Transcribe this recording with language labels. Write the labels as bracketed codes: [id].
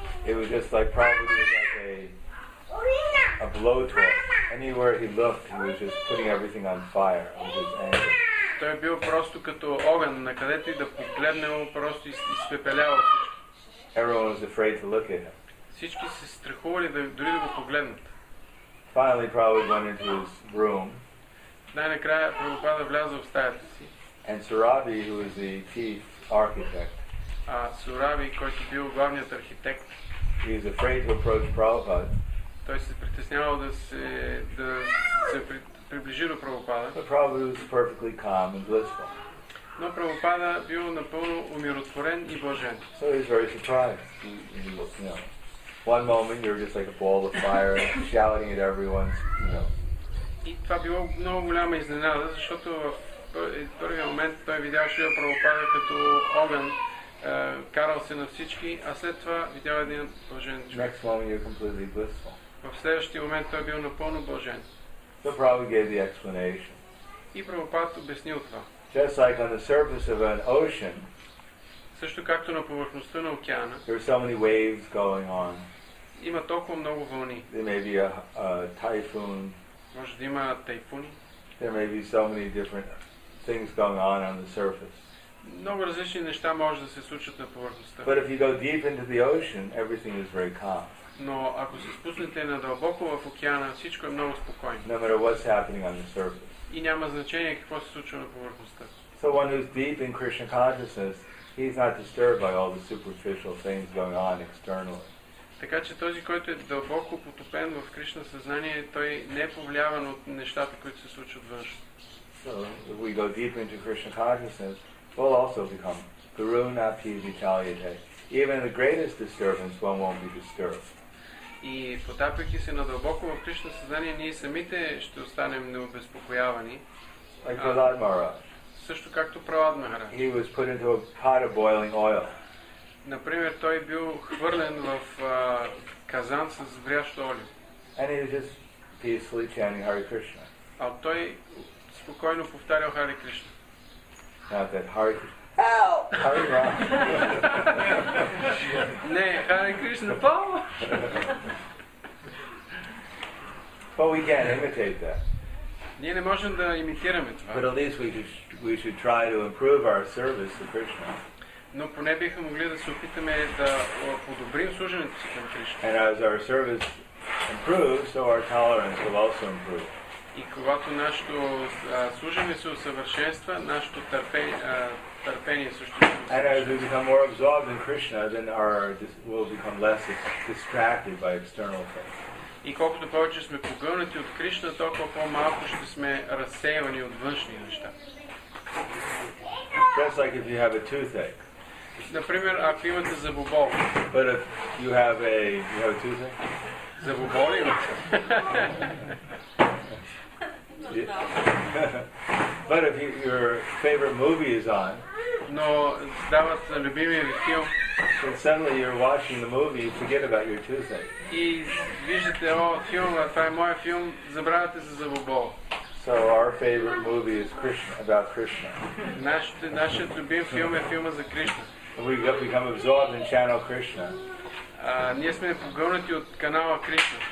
[en] It was just like probably like a blowtorch. Anywhere he looked, he was just putting everything on fire with his anger. [bg] Той бил просто като огън, на където и да погледнел, просто изпепелявал всички. [en] Everyone was afraid to look at him. [bg] Всички се страхували дори да го погледнат. [en] Finally, Prabhupada went into his room. [bg] Най-накрая Прабхупада влязъл в стаята си. [en] And Surabhi, who was the chief architect. [bg] А Surabhi, който бил главният архитект. [en] He was afraid to approach Prabhupada. [bg] Той се притеснявал да се приближи до Прабхупада. [en] But Prabhupada was perfectly calm and blissful. [bg] Но Прабхупада бил напълно умиротворен и блажен. [en] So he's very surprised. You know, one moment you're just like a ball of fire, shouting at everyone. You know. [bg] И това било много голяма изненада, защото в първия момент той видял Шрила Прабхупада като огън. Карал се на всички, а след това видял един блажен човек. [en] Next moment you're completely blissful. [bg] В следващия момент той бил напълно блажен. [en] So Prabhupada gave the explanation. [bg] И Прабхупада обяснил това. [en] Just like on the surface of an ocean. [bg] Също както на повърхността на океана. [en] There are so many waves going on. [bg] Има толкова много вълни. [en] There may be a typhoon. [bg] Може да има тайфуни. [en] There may be so many different things going on the surface. [bg] Много различни неща може да се случат на повърхността. [en] But if you go deep into the ocean, everything is very calm. [bg] Но ако се спуснете надълбоко в океана, всичко е много спокойно. [en] No matter what's happening on the surface. [bg] И няма значение какво се случва на повърхността. [en] So one who's deep in Krishna consciousness, he's not disturbed by all the superficial things going on externally. [bg] Така че този, който е дълбоко потопен в Кришна съзнание, той не е повлияван от нещата, които се случват външно. [en] So if we go deep into Krishna consciousness, we'll also become Garuna Pivitalyate. Even the greatest disturbance, one won't be disturbed. [bg] И потапяйки се надълбоко в Кришна съзнание, ние самите ще останем необезпокоявани. [en] Like Prahlad Maharaj. [bg] Също както Прахлад Махарадж. [en] He was put into a pot of boiling oil. [bg] Например, той бил хвърлен в казан с врящо олио. [en] And he was just peacefully chanting Hare Krishna. [bg] А той спокойно повтарял Hare Krishna. [en] Not that Hare Krishna. Help! [bg] Не, Hare Krishna, Paul! [en] But we can't imitate that. [bg] Ние не можем да имитираме това. [en] But at least we should try to improve our service to Krishna. [bg] Но поне бихме могли да се опитаме да подобрим служението си към Кришна. [en] And as our service improves, so our tolerance will also improve. [bg] И когато нашето служение се усъвършенства, нашето търпение също се усъвършенства. [en] And as we become more absorbed in Krishna, then we'll become less distracted by external things. [bg] И колкото повече сме погълнати от Кришна, толкова по-малко ще сме разсеявани от външни неща. [en] Just like if you have a toothache. [bg] Например, ако имате зъбобол. [en] But if you have a toothache? [bg] Зъбобол имате. [en] Yeah. But if your favorite movie is on, no, that was the favorite film. And suddenly you're watching the movie, you forget about your toothache. [bg] Is видите о фильм, това е мой фильм, забравяте за зъбобол. [en] So our favorite movie is Krishna, about Krishna. [bg] Нашият любим филм е филма за Кришна. [en] We become absorbed in channel Krishna. [bg] Ние сме погълнати от канала Кришна.